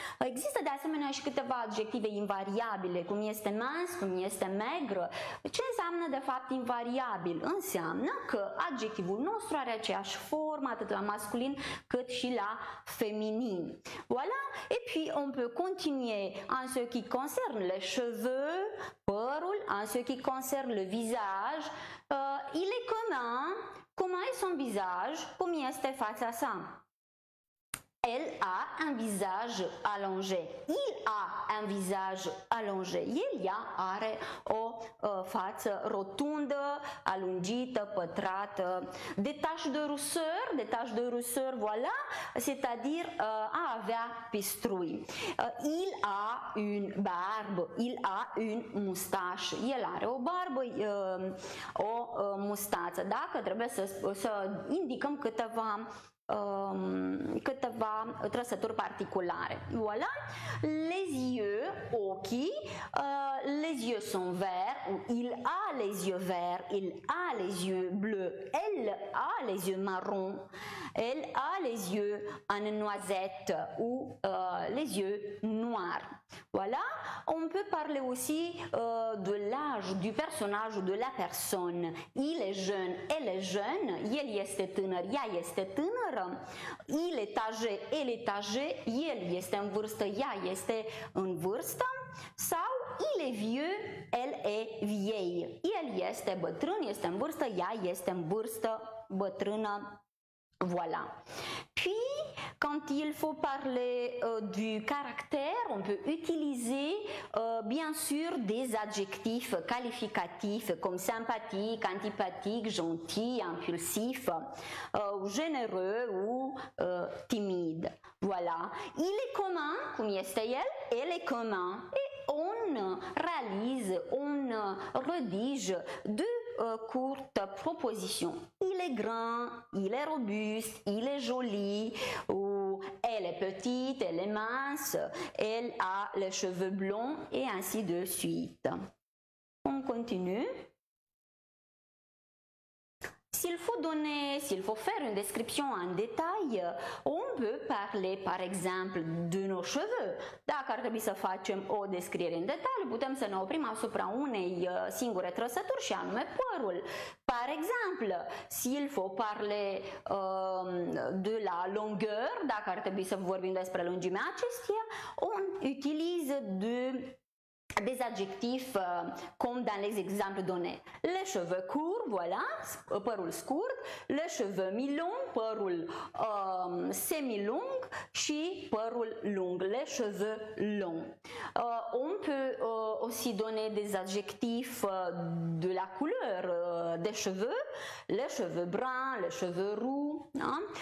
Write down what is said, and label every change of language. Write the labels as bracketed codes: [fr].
[ro] Există de asemenea și câteva adjective invariabile, cum este mince, cum este maigre. Ce înseamnă de fapt invariabil? Înseamnă că adjectivul nostru are aceeași formă, atât la masculin cât și la feminin. [fr] Voilà, et puis on peut continuer en ce qui concerne les cheveux, [ro] părul, [fr] en ce qui concerne le visage, il est commun, comment est son visage, [ro] cum este fața sa. [fr] Elle a un visage allongé. Il a un visage allongé. [ro] El ia are o față rotundă, alungită, pătrată. [fr] Des taches de rousseur, des taches de rousseur, voilà, c'est-à-dire [ro] a avea pistrui. [fr] Il a une barbe, il a une moustache. [ro] El are o barbă, o mustață. Dacă trebuie să indicăm câteva trăsături particulare. [fr] Voilà. Les yeux, [ro] ochii, [fr] les yeux sont verts, il a les yeux verts, il a les yeux bleus, elle a les yeux marron, elle a les yeux en noisette ou les yeux noirs. Voilà. On peut parler aussi de l'âge du personnage ou de la personne. Il est jeune, elle est jeune, [ro] el este tânăr, ea este tânără. [fr] Il est âgé, elle est âgée, [ro] el este în vârstă, ea este în vârstă. [fr] Sau il est vieux, elle est vieille. [ro] El este bătrân, este în vârstă, ea este în vârstă, bătrână. [fr] Voilà. Puis, quand il faut parler du caractère, on peut utiliser bien sûr des adjectifs qualificatifs comme sympathique, antipathique, gentil, impulsif, généreux ou timide. Voilà. Il est commun, [ro] cum este el? [fr] Elle est commun. Et on réalise, on redige deux courte proposition. Il est grand, il est robuste, il est joli, ou elle est petite, elle est mince, elle a les cheveux blonds, et ainsi de suite. On continue. S'il faut donner, s'il faut faire une description en détail, on peut parler, par exemple, de nos cheveux. [ro] Dacă ar trebui să facem o descriere în detail, putem să ne oprim asupra unei singure trăsături și anume părul. [fr] Par exemplu, s'il faut parler de la longueur, [ro] dacă ar trebui să vorbim despre lungimea acesteia, [fr] on utilise de... des adjectifs comme dans les exemples donnés. Les cheveux courts, voilà, [ro] părul scurt, [fr] les cheveux mi-long, [ro] părul semi-long și părul lung, [fr] les cheveux longs. On peut aussi donner des adjectifs de la couleur des cheveux, les cheveux bruns, les cheveux roux, hein?